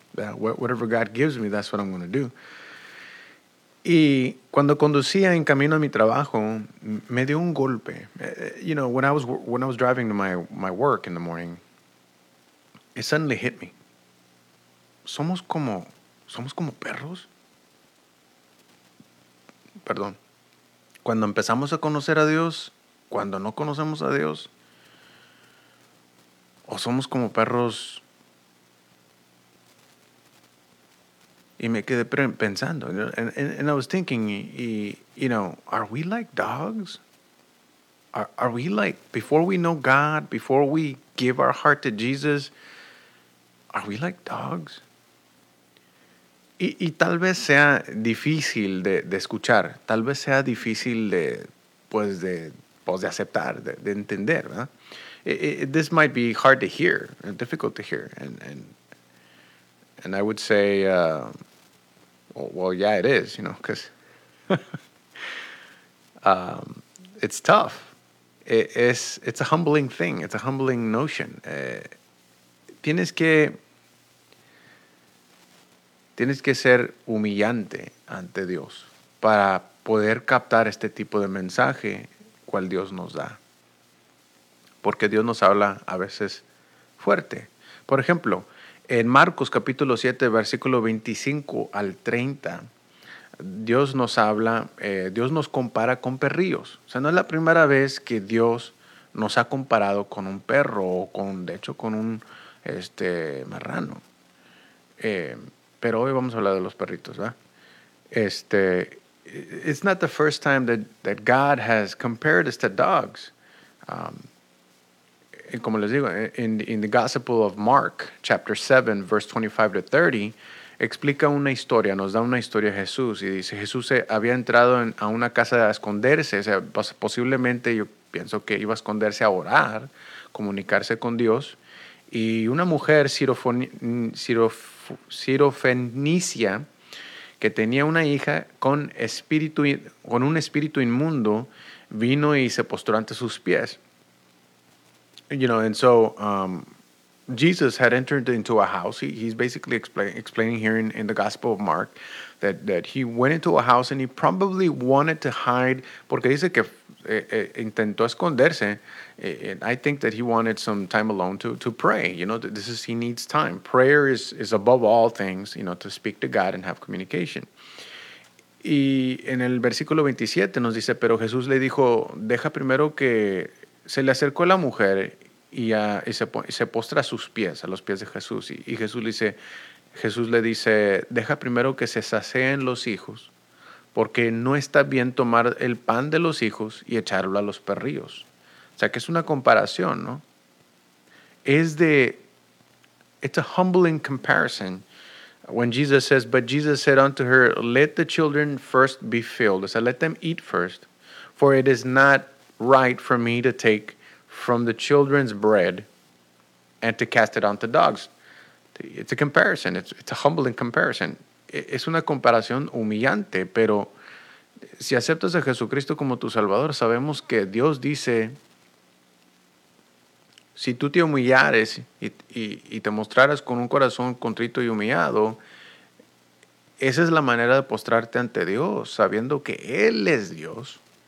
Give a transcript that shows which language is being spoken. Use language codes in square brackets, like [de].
[en] Whatever God gives me, that's what I'm going to do. [es] Y cuando conducía en camino a mi trabajo, me dio un golpe. [en] You know, when I was driving to my work in the morning, it suddenly hit me. [es] ¿Somos como perros? Perdón. Cuando empezamos a conocer a Dios, cuando no conocemos a Dios, ¿o somos como perros? Y me quedé pensando. [en] And I was thinking, you know, are we like dogs? Are we like, before we know God, before we give our heart to Jesus, are we like dogs? [es] Y tal vez sea difícil de escuchar. Tal vez sea difícil de aceptar, de entender, ¿verdad? [en] This might be hard to hear, difficult to hear, and I would say, well, yeah, it is, you know, because it's tough. It's a humbling thing. It's a humbling notion. [es] Tienes que ser humillante ante Dios para poder captar este tipo de mensaje cual Dios nos da. Porque Dios nos habla a veces fuerte. Por ejemplo, en Marcos capítulo 7, versículo 25 al 30, Dios nos habla, Dios nos compara con perrillos. O sea, no es la primera vez que Dios nos ha comparado con un perro o con un marrano. Pero hoy vamos a hablar de los perritos, ¿va? [en] It's not the first time that God has compared us to dogs. [es] Como les digo, [en] in the Gospel of Mark, chapter 7, verse 25 to 30, [es] explica una historia, nos da una historia a Jesús y dice, Jesús había entrado a una casa a esconderse, o sea, posiblemente yo pienso que iba a esconderse a orar, comunicarse con Dios, y una mujer sirofenicia que tenía una hija con un espíritu inmundo, vino y se postró ante sus pies. [en] You know, and so Jesus had entered into a house. He's basically explaining here in the Gospel of Mark that he went into a house and he probably wanted to hide, [es] porque dice que intentó esconderse. [en] And I think that he wanted some time alone to pray. You know, this is, he needs time. Prayer is above all things, you know, to speak to God and have communication. [es] Y en el versículo 27 nos dice, pero Jesús le dijo, deja primero que... Se le acercó la mujer y se postra a sus pies, a los pies de Jesús. Y Jesús le dice, deja primero que se sacien los hijos, porque no está bien tomar el pan de los hijos y echarlo a los perrillos. O sea, que es una comparación, ¿no? [en] It's a humbling comparison. When Jesus says, but Jesus said unto her, let the children first be filled. [es] O sea, [en] let them eat first, for it is not right for me to take from the children's bread and to cast it onto dogs. It's a comparison. It's a humbling comparison. [es] Es una comparación humillante, pero si aceptas a Jesucristo como tu Salvador, sabemos que Dios dice, si tú te humillares y te mostraras con un corazón contrito y humillado, esa es la manera de postrarte ante Dios, sabiendo que Él es Dios.